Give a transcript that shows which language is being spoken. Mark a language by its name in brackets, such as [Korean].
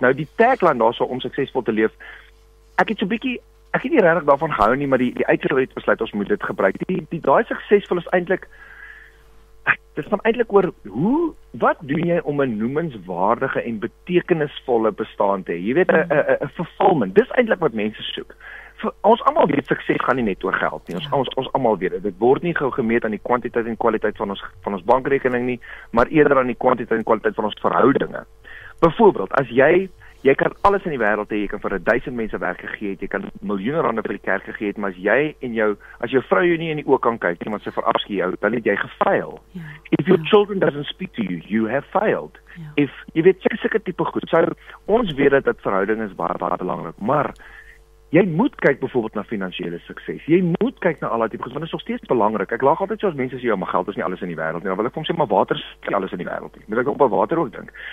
[Afrikaans] Nou, die tagline daarso om suksesvol te leef, ek het nie regtig daarvan gehou nie, maar die uitgewer het besluit ons moet dit gebruik. Die daai suksesvol is eintlik, dit gaan eintlik oor wat doen jy om 'n noemenswaardige en betekenisvolle bestaan te hê? Jy weet, 'n fulfillment. Dis eintlik wat mense soek. Ons almal weet sukses gaan nie net oor geld nie. Ons almal weet dit. Dit word nie gou gemeet aan die kwantiteit en kwaliteit van ons bankrekening nie, maar eerder aan die kwantiteit en kwaliteit van ons verhoudinge. Byvoorbeeld, as jy Jy kan alles in die wêreld hê, jy kan vir 1000 mense weggegee het, jy kan miljoene rande vir die kerk gegee het, maar as jy en jou, as jou vrou jou nie in die oë kan kyk nie, want sy verafskie jou, dan het jy gefail. Yeah. [English] If your children doesn't speak to you, you have failed. Yeah. [Afrikaans] If jy weet sekere tipe goed, sou ons weet dat verhouding is baie baie belangrik, maar jy moet kyk byvoorbeeld na finansiële sukses. Jy moet kyk na al daai tipe goed, want dit is nog steeds belangrik. Ek lag altyd so as mense sê jou geld is nie alles in die wêreld nie, dan wil ek vir hom sê maar water is nie alles in die wêreld nie. Moet ek op 'n water ook dink.